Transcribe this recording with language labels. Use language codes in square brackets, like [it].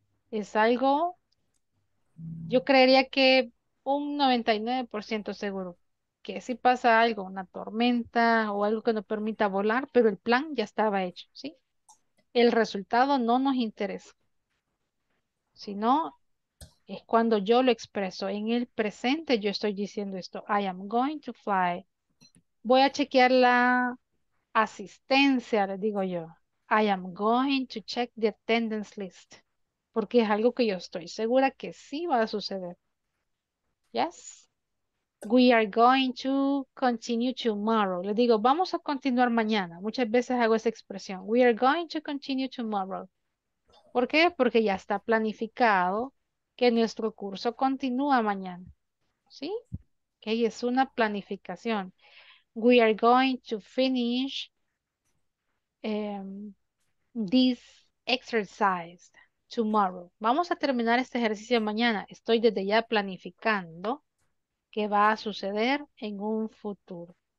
[es] Es algo, yo creería que un 99% seguro, que si pasa algo, una tormenta o algo que no permita volar, pero el plan ya estaba hecho, ¿sí? El resultado no nos interesa, sino es cuando yo lo expreso. En el presente yo estoy diciendo esto, [en] I am going to fly. [es] Voy a chequear la asistencia, le digo yo. [en] I am going to check the attendance list. [es] Porque es algo que yo estoy segura que sí va a suceder. [en] Yes. We are going to continue tomorrow. [es] Le digo, vamos a continuar mañana. Muchas veces hago esa expresión. [en] We are going to continue tomorrow. [es] ¿Por qué? Porque ya está planificado que nuestro curso continúa mañana. ¿Sí? Que okay, es una planificación. [en] We are going to finish this exercise tomorrow. [es] Vamos a terminar este ejercicio mañana. Estoy desde ya planificando qué va a suceder en un futuro.